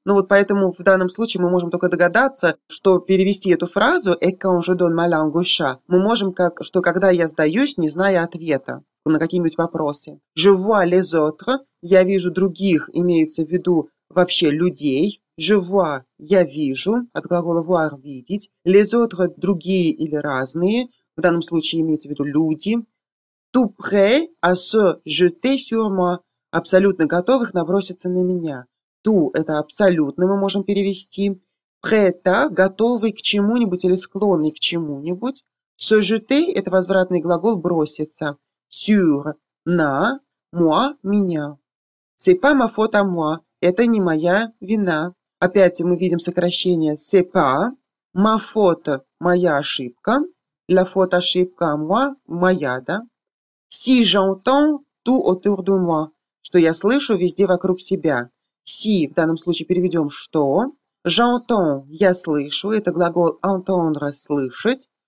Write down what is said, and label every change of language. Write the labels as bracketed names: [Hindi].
[Russian] Ну вот поэтому в данном случае мы можем только догадаться, что перевести эту фразу [French] «et quand je donne ma langue au chat» [Russian] мы можем как «что когда я сдаюсь, не зная ответа на какие-нибудь вопросы». [French] «Je vois les autres» [Russian] – «я вижу других» имеется в виду вообще «людей». [French] «Je vois» [Russian] – «я вижу» от глагола «voir» – «видеть». [French] «Les autres» [Russian] – «другие» или «разные». В данном случае имеется в виду «люди». [French] «Tout prêt à se jeter sur moi» – [Russian] «абсолютно готовых наброситься на меня». «Tout» – это «абсолютно» мы можем перевести. [French] «Prêt à» [Russian] – «готовый к чему-нибудь» или «склонный к чему-нибудь». [French] «Se jeter» [Russian] – это возвратный глагол «броситься». «Sur» – «на», «moi» – «меня». [French] «C'est pas ma faute à moi» – [Russian] «это не моя вина». Опять мы видим сокращение [French] «c'est pas», «ma faute» [Russian] – «моя ошибка», [French] «la faute» [Russian] – «ошибка», «moi» – «моя», да. [French] «Si j'entends tout autour de moi» – [Russian] «что я слышу везде вокруг себя». «Si» в данном случае переведем «что». «J'entends» – «я слышу» – это глагол «entendre» – «слышать».